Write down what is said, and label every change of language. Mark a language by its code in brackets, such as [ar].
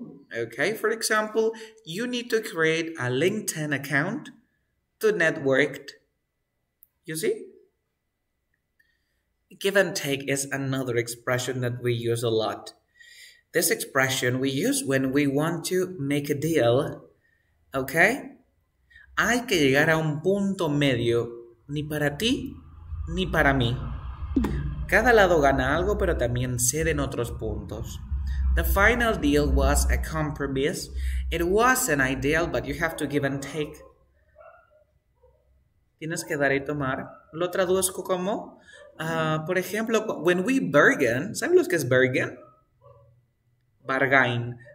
[en] Okay, for example, you need to create a LinkedIn account to network. You see? Give and take is another expression that we use a lot. This expression we use when we want to make a deal, okay? [es] Hay que llegar a un punto medio, ni para ti, ni para mí. Cada lado gana algo, pero también ceden otros puntos. [en] The final deal was a compromise. It was an ideal, but you have to give and take. [es] Tienes que dar y tomar. Lo traduzco como, por ejemplo, [en] when we bargain, [es] ¿saben lo que es bargain? Bargain.